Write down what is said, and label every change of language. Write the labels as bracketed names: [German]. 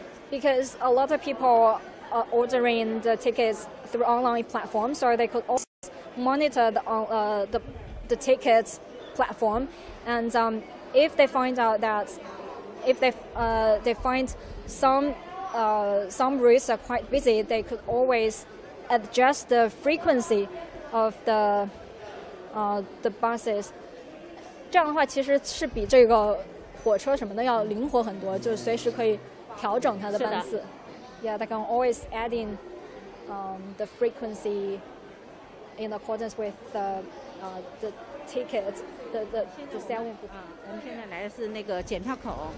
[English] Because a lot of people are ordering the tickets through online platform, so they could also monitor the tickets platform, and if they find out that if they find some routes are quite busy, they could always adjust the frequency of the buses. [Chinese] 这样的话其实是比这个火车什么的要灵活很多，就是随时可以调整它的班次。 [English] Yeah, they can always add in the frequency in accordance with the ticket, the selling. [Chinese] 我们现在来的是那个检票口。